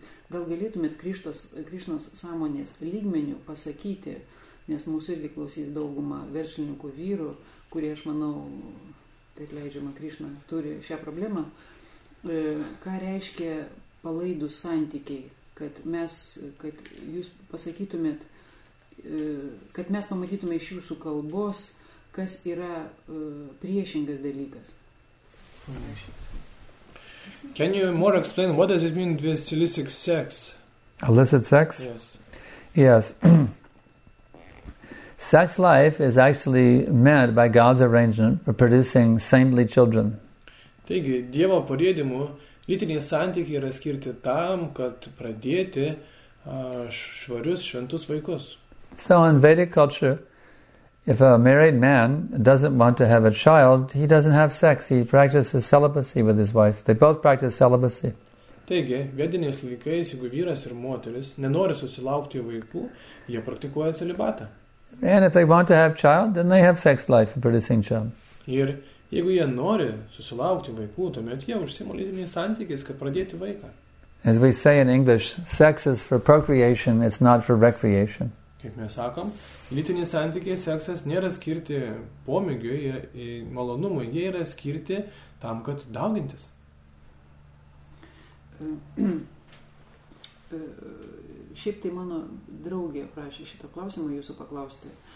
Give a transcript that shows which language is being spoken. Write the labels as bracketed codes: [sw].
[lt] Gal galėtumėt Krišnos sąmonės lygmenių pasakyti, nes mūsų irgi klausys dauguma verslininkų vyrų, kurie, aš manau, taip leidžiama Krišna, turi šią problemą. Ką reiškia palaidus santykiai, kad mes pamatytume iš jūsų kalbos, kas yra priešingas dalykas? [en] Can you more explain what does it mean with illicit sex? Illicit sex? Yes. Yes. Sex life is actually meant by God's arrangement for producing saintly children. [lt] Taigi, Dievo porėdimu, lytiniai santykiai yra skirti tam, kad pradėti švarius šventus vaikus. [en] So in Vedic culture, if a married man doesn't want to have a child, he doesn't have sex. He practices celibacy with his wife. They both practice celibacy. [lt] Taigi, vediniais laikais, jeigu vyras ir moteris nenori susilaukti vaikų, jie praktikuoja celibatą. [en] And if they want to have child, then they have sex life for producing child. [lt] Ir jeigu jie nori susilaukti vaikų, tuomet jie užsiima lytiniais santykiais, kad pradėti vaiką. [en] As we say in English, sex is for procreation, it's not for recreation. [lt] Kaip mes sakom, lytiniai santykiai, seksas nėra skirti pomėgiui ir malonumui, jie yra skirti tam, kad daugintis. Šiaip tai mano draugė prašė šitą klausimą jūsų paklausti.